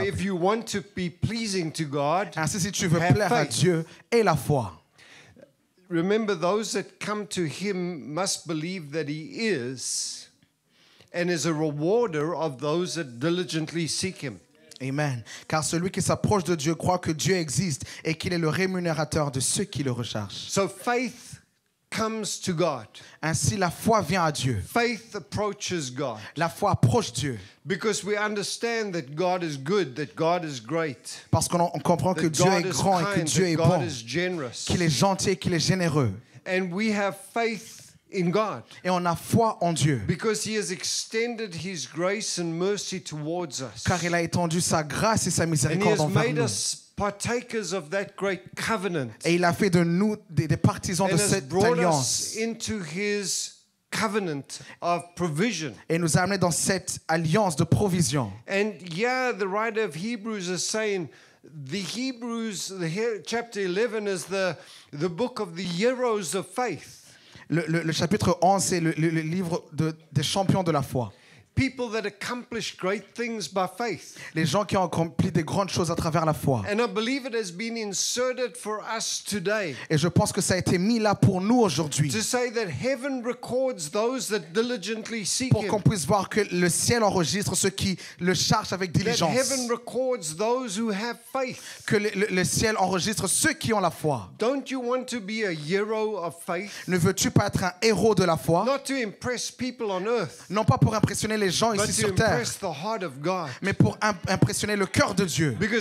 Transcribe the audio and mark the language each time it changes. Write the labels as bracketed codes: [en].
[en] So if you want to be pleasing to God, [fr] ainsi, si tu veux plaire à Dieu, aie la foi. [en] Remember, those that come to him must believe that he is and is a rewarder of those that diligently seek him. Amen. [fr] Car celui qui s'approche de Dieu croit que Dieu existe et qu'il est le rémunérateur de ceux qui le recherchent. [en] So faith comes to God. [fr] Ainsi la foi vient à Dieu. [en] Faith approaches God. [fr] La foi approche Dieu. [en] Because we understand that God is good, that God is great. [fr] Parce qu'on comprend que Dieu est grand et que Dieu est bon. [en] God is generous. [fr] Qu'il est gentil et qu'il est généreux. [en] And we have faith in God. [fr] Et on a foi en Dieu. [en] Because he has extended his grace and mercy towards us. [fr] Car il a étendu sa grâce et sa miséricorde envers nous. [en] And he has made us partakers of that great covenant. [fr] Et il a fait de nous des partisans de cette alliance. [en] And has brought us into his covenant of provision. [fr] Et nous a amené dans cette alliance de provision. [en] And yeah, the writer of Hebrews is saying the Hebrews, the chapter 11 is the book of the heroes of faith. [fr] Le chapitre 11 c'est le livre des champions de la foi. [en] People that accomplish great things by faith. [fr] Les gens qui ont accompli des grandes choses à travers la foi. [en] And I believe it has been inserted for us today. [fr] Et je pense que ça a été mis là pour nous aujourd'hui. [en] To say that heaven records those that diligently seek him. [fr] Pour qu'on puisse voir que le ciel enregistre ceux qui le cherchent avec diligence. [en] That heaven records those who have faith. [fr] Que le ciel enregistre ceux qui ont la foi. [en] Don't you want to be a hero of faith? [fr] Ne veux-tu pas être un héros de la foi? [en] Not to impress people on earth. [fr] Non pas pour impressionner les gens ici sur terre, mais pour impressionner le cœur de Dieu.